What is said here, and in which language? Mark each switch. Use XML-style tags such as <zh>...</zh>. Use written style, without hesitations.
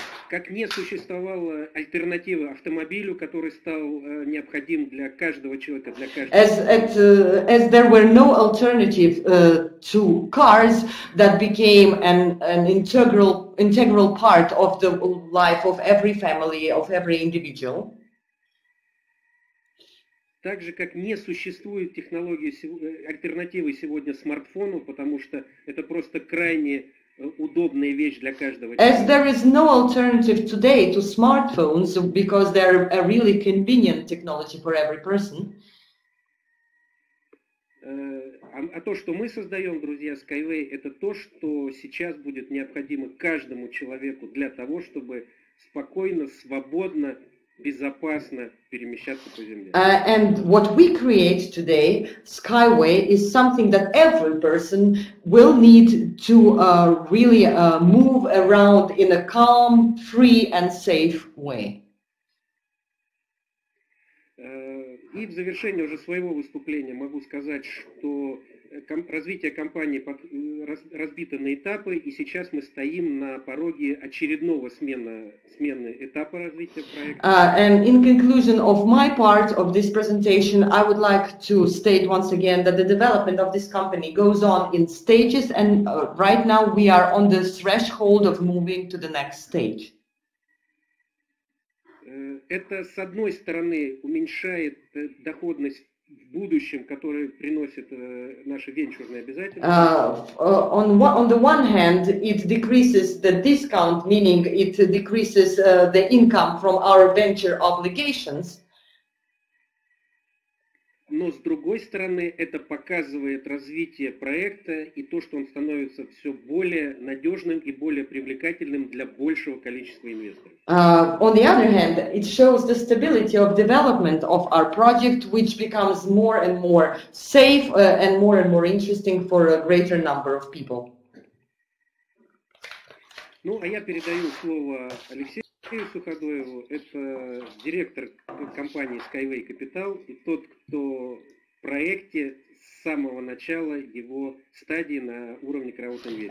<ru>Как не существовало альтернативы автомобилю, который стал необходим для каждого человека, для каждого.</ru> <en>As there were no alternative to cars that became an integral part of the life of every family, of every individual.</en> <ru>Так же, как не существует технологии альтернативы сегодня смартфону, потому что это просто крайне удобная вещь для каждого человека.</ru> <en>As there is no alternative today to smartphones, because they are a really convenient technology for every person.</en> <ru>А то, что мы создаем, друзья, SkyWay, это то, что сейчас будет необходимо каждому человеку для того, чтобы спокойно, свободно, безопасно перемещаться по земле.</ru> <en>And what we create today, SkyWay, is something that every person will need to really move around in a calm, free and safe way.</en> <ru>И в завершение уже своего выступления могу сказать, что развитие компании разбито на этапы, и сейчас мы стоим на пороге очередного смены этапа развития проекта.</ru> <en>And in conclusion of my part of this presentation, I would like to state once again that the development of this company goes on in stages, and right now we are on the threshold of moving to the next stage.</en> <ru>Это, с одной стороны, уменьшает доходность в будущем, которую приносит наши венчурные обязательства.</ru> <en>On the one hand, it decreases the discount, meaning it decreases the income from our venture obligations.</en> <ru>Но, с другой стороны, это показывает развитие проекта и то, что он становится все более надежным и более привлекательным для большего количества инвесторов.</ru> <en>On the other hand, it shows the stability of development of our project, which becomes more and more safe and more interesting for a greater number of people.</en> <ru>Ну, а я передаю слово Алексею. Алексей Суходоев – это директор компании SkyWay Capital и тот, кто в проекте с самого начала его стадии на уровне краудинвестирования.</ru>